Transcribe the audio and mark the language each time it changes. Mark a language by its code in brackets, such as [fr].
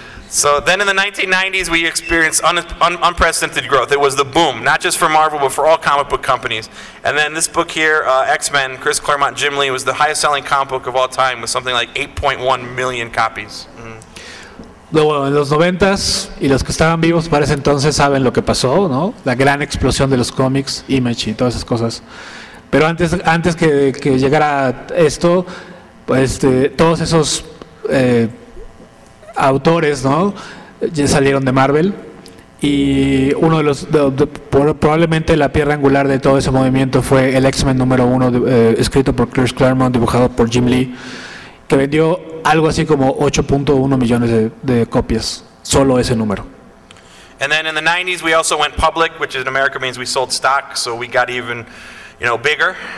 [en] So then in the 1990s, we experienced unprecedented growth. It was the boom, not just for Marvel, but for all comic book companies. And then this book here, X-Men, Chris Claremont, Jim Lee, was the highest selling comic book of all time with something like 8.1 million copies. [es] Luego, en los 90s, y los que estaban vivos para ese entonces saben lo que pasó, ¿no? La gran explosión de los cómics, Image y todas esas cosas. Pero antes que llegara esto, pues todos esos autores, ¿no? Ya salieron de Marvel. Y uno de los, probablemente la piedra angular de todo ese movimiento fue el X-Men número uno, escrito por Chris Claremont, dibujado por Jim Lee, que vendió algo así como 8.1 millones de copias, solo ese número. [en] And then in the 90s we also went public, which in America means we sold stock, so we got even, you know, bigger.